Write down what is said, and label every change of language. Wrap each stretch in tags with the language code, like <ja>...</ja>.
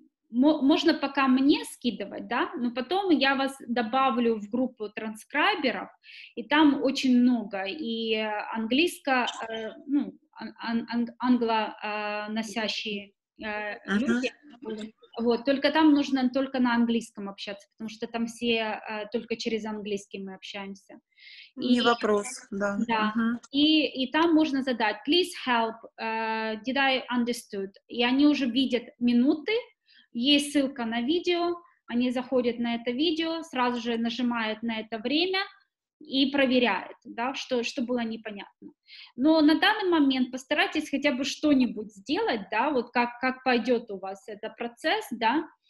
<ru>Можно пока мне скидывать, да, но потом я вас добавлю в группу транскрайберов, и там очень много, и англоносящие люди. Вот, только там нужно только на английском общаться, потому что там все только через английский мы общаемся. Не вопрос, да. Да. Uh-huh. И там можно задать</ru> <en>please help, did I understood?</en> <ru>И они уже видят минуты, есть ссылка на видео, они заходят на это видео, сразу же нажимают на это время и проверяют, да, что было непонятно. Но на данный момент постарайтесь хотя бы что-нибудь сделать, да, вот как пойдет у вас этот процесс, да.</ru>